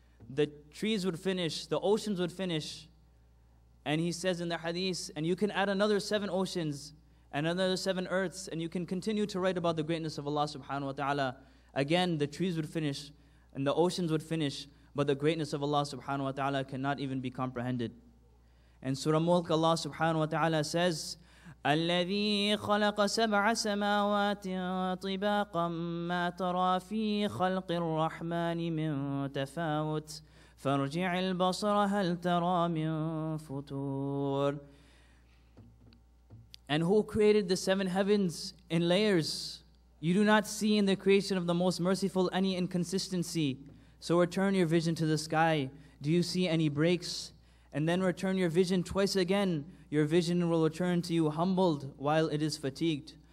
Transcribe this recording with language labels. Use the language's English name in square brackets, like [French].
[English] The trees would finish, the oceans would finish. And he says in the hadith, and you can add another 7 oceans and another 7 earths, and you can continue to write about the greatness of Allah subhanahu wa ta'ala. Again, the trees would finish and the oceans would finish, but the greatness of Allah subhanahu wa ta'ala cannot even be comprehended. And Surah Mulk, Allah subhanahu wa ta'ala says, [Arabic] الَّذِي خَلَقَ سَبْعَ سَمَاوَاتٍ طِبَاقًا مَا تَرَى فِي خَلْقِ الرَّحْمَنِ مِنْ تَفَاوُتٍ فَارْجِعِ الْبَصَرَ هَلْ تَرَى مِنْ فُتُورٍ. [English] And who created the 7 heavens in layers? You do not see in the creation of the Most Merciful any inconsistency. So return your vision to the sky. Do you see any breaks? And then return your vision twice again. Your vision will return to you humbled while it is fatigued.